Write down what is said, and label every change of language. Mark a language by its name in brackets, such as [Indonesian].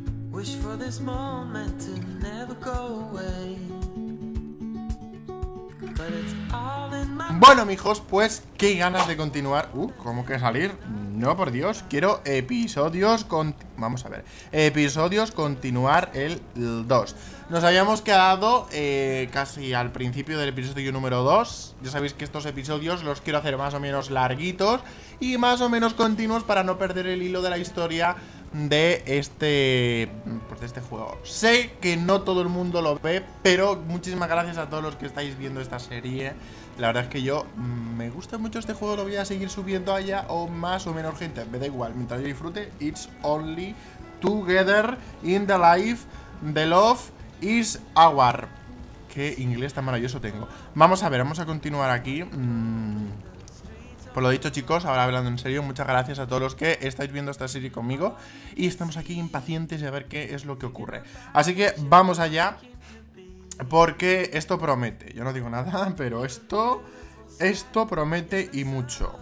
[English] Wish for this moment to never go away. But it's all in my... [Spanish] Bueno, mijos, pues qué ganas de continuar. ¿Cómo que salir? No, por Dios, quiero episodios con... Vamos a ver. Episodios continuar el 2. Nos habíamos quedado casi al principio del episodio número 2. Ya sabéis que estos episodios los quiero hacer más o menos larguitos y más o menos continuos para no perder el hilo de la historia de este... Pues de este juego. Sé que no todo el mundo lo ve, pero muchísimas gracias a todos los que estáis viendo esta serie. La verdad es que yo me gusta mucho este juego, lo voy a seguir subiendo allá o más o menos gente, me da igual, mientras yo disfrute. [English] It's only together in the life, the love is our. [Spanish] Qué inglés tan maravilloso tengo. Vamos a ver, vamos a continuar aquí. Por lo dicho, chicos, ahora hablando en serio, muchas gracias a todos los que estáis viendo esta serie conmigo y estamos aquí impacientes a ver qué es lo que ocurre. Así que vamos allá. Porque esto promete, yo no digo nada, pero esto promete y mucho.